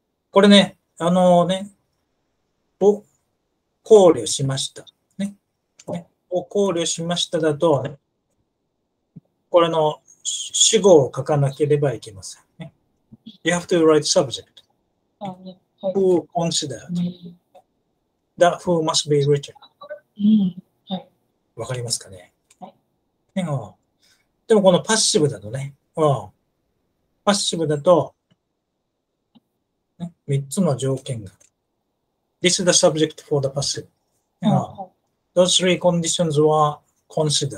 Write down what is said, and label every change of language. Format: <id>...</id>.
<ja>これね、を考慮しました。ね。ね、を考慮しましただと、ね、これの主語を書かなければいけません。</ja> <en>ね、you have to write subject.</en> <ja>はい、</ja> <en>who considered that who must be written、</en> <ja>うん、はい、わかりますかね、はい、でもこのパッシブだとね、パッシブだと、ね、3つの条件が</ja> <en>This is the subject for the passive、</en> <ja>はい、</ja> <en>Those three conditions were considered、</en>